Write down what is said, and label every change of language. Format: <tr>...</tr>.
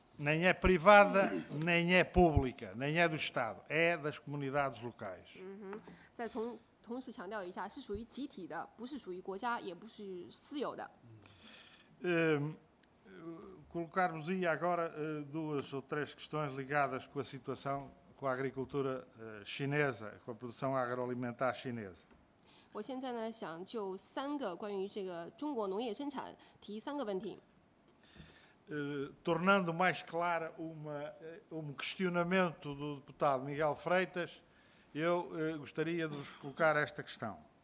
<pt>Nem é privada, nem é pública, nem é do Estado, é das comunidades locais.</pt> <zh>再同时强调一下，是属于集体的，不是属于国家，也不是私有的。</zh> <pt>Colocar-vos-ia agora duas ou três questões ligadas com a situação com a agricultura chinesa, com a produção agroalimentar chinesa.</pt> <zh>我现在呢想就三个关于这个中国农业生产提三个问题。</zh> <pt>Tornando mais clara um questionamento do deputado Miguel Freitas, eu gostaria de vos colocar esta questão.</pt>